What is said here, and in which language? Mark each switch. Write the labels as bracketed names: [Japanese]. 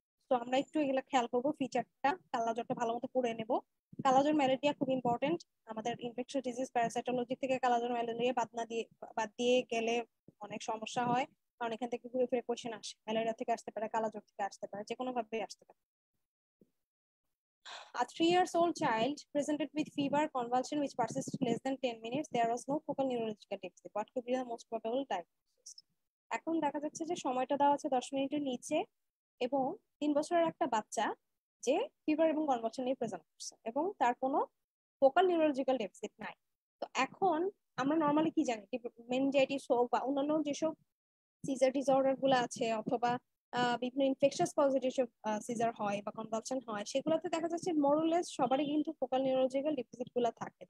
[Bangla] তো আমরা একটু এগুলো খেয়াল করবো, ফিচারটা কালা জ্বরটা ভালো মতো করে নেব। কালা জ্বর ম্যালেরিয়া খুব ইম্পর্টেন্ট আমাদের ইনফেকশিয়াস ডিজিজ প্যারাসাইটোলজি থেকে, কালা জ্বর ম্যালেরিয়া বাদ দিয়ে গেলে অনেক সমস্যা হয়, কারণ এখান থেকে ঘুরে ফিরে কোয়েশ্চেন আসে, ম্যালেরিয়া থেকে আসতে পারে, কালা জ্বর থেকে আসতে পারে, যেকোনো ভাবে আসতে পারে। [English] A 3 years old child presented with fever, convulsion which persisted less than 10 minutes. There was no focal neurological deficit. What could be the most probable diagnosis? [Bangla] এখন দেখা যাচ্ছে যে সময়টা দেওয়া আছে 10 মিনিটের নিচে, এবং 3 বছরের একটা বাচ্চা যে ফিভার এবং কনভালশন নিয়ে প্রেজেন্ট করছে এবং তার কোনো ফোকাল নিউরোলজিক্যাল ডেফিসিট নাই। তো এখন আমরা নর্মালি কি জানি, মেনিনজাইটিস হোক বা অন্যান্য যেসব সিজার ডিসঅর্ডার গুলো আছে, অথবা বিভিন্ন ইনফেকশাস কজে যেসব সিজার হয় বা কনভালশন হয়, সেগুলোতে দেখা যাচ্ছে মোরলেস সবারই কিন্তু ফোকাল নিউরোলজিক্যাল ডেফিসিট গুলো থাকে।